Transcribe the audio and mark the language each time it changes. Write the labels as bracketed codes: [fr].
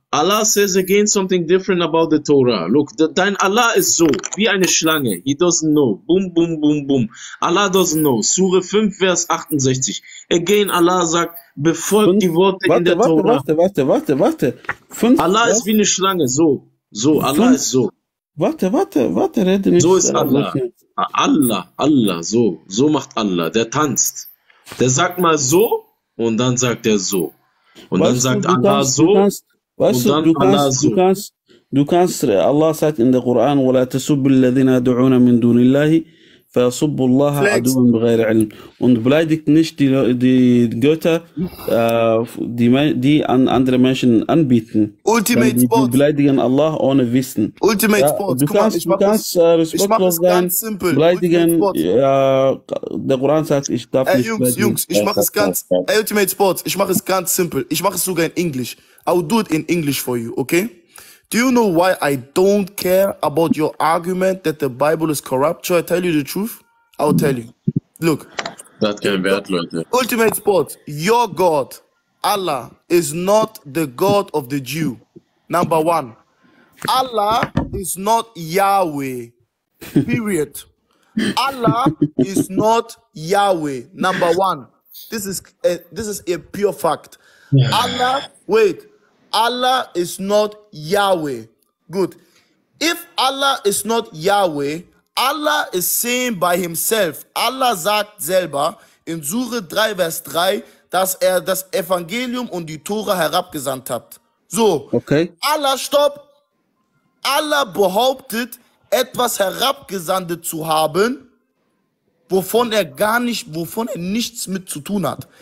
[en] Allah says again something different about the Torah. Look, [de] dein Allah ist so, wie eine Schlange. [en] He doesn't know. Boom, boom, boom, boom. Allah doesn't know. [de] Sure 5, Vers 68. [en] Again, [de] Allah sagt, befolgt die Worte in der Torah. Warte. Allah ist wie eine Schlange. So, Allah ist so. Warte, rede nicht. So ist Allah. Allah, so. So macht Allah. Der tanzt. Der sagt mal so. Und dann sagt er so. Und dann sagt Allah so. Du kannst, Allah sagt in der Koran, [ar] وَلَا تَسُبُّ الَّذِينَ دُعُونَ مِن دُونِ اللَّهِ فَيَسُبُّ اللَّهَ عَدُوًا بِغَيْرِ عِلْمٍ. [de] Und beleidigt nicht die Götter, die andere Menschen anbieten. Ultimate Sport. Die beleidigen Allah ohne Wissen. Ultimate Sport. Du kannst respektlos sein, beleidigen, der Koran sagt, ich darf nicht beleidigen. Ultimate Sport, ich mache es ganz simpel. Ich mache es sogar in Englisch. [en] I'll do it in English for you, okay? Do you know why I don't care about your argument that the Bible is corrupt? Should I tell you the truth? I'll tell you. Look. That can be hard, [de] Leute. [en] Ultimate Sports, your God, Allah, is not the God of the Jew. Number one. Allah is not Yahweh. Period. Allah is not Yahweh. Number one. This is a pure fact. Allah, wait. Allah is not Yahweh. Good. If Allah is not Yahweh, Allah is saying by himself. [de] Allah sagt selber in Sure 3, Vers 3, dass er das Evangelium und die Tora herabgesandt hat. So. Okay. Allah, stopp. Allah behauptet, etwas herabgesandt zu haben, wovon er nichts mit zu tun hat.